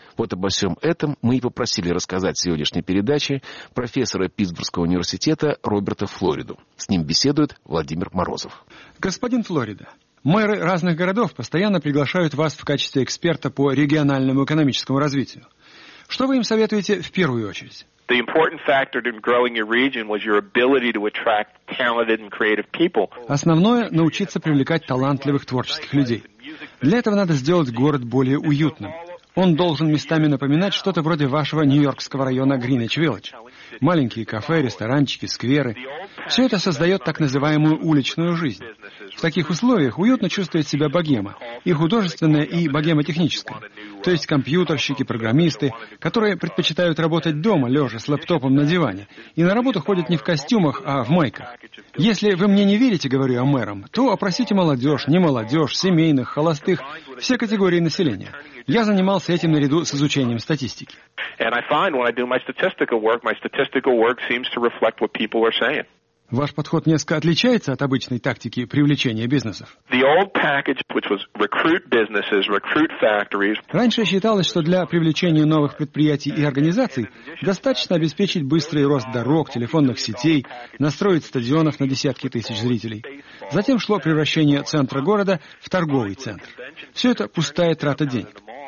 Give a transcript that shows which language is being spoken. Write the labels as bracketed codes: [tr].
[ru] Вот обо всем этом мы и попросили рассказать в сегодняшней передаче профессора Питтсбургского университета Роберта Флориду. С ним беседует Владимир Морозов. Господин Флорида, мэры разных городов постоянно приглашают вас в качестве эксперта по региональному экономическому развитию. Что вы им советуете в первую очередь? [en] The important factor in growing your region was your ability to attract talented and creative people. [ru] Основное – научиться привлекать талантливых творческих людей. Для этого надо сделать город более уютным. Он должен местами напоминать что-то вроде вашего нью-йоркского района Гринвич-Виллидж. Маленькие кафе, ресторанчики, скверы. Все это создает так называемую уличную жизнь. В таких условиях уютно чувствует себя богема. И художественная, и богемотехническая. То есть компьютерщики, программисты, которые предпочитают работать дома, лежа с лэптопом на диване. И на работу ходят не в костюмах, а в майках. Если вы мне не верите, говорю я мэрам, то опросите молодежь, немолодежь, семейных, холостых, все категории населения. Я занимался этим наряду с изучением статистики. [en] And I find when I do my statistical work seems to reflect what people are saying. [ru] Ваш подход несколько отличается от обычной тактики привлечения бизнесов. [en] The old package, which was recruit businesses, recruit factories. [ru] Раньше считалось, что для привлечения новых предприятий и организаций достаточно обеспечить быстрый рост дорог, телефонных сетей, настроить стадионов на десятки тысяч зрителей. Затем шло превращение центра города в торговый центр. Все это пустая трата денег.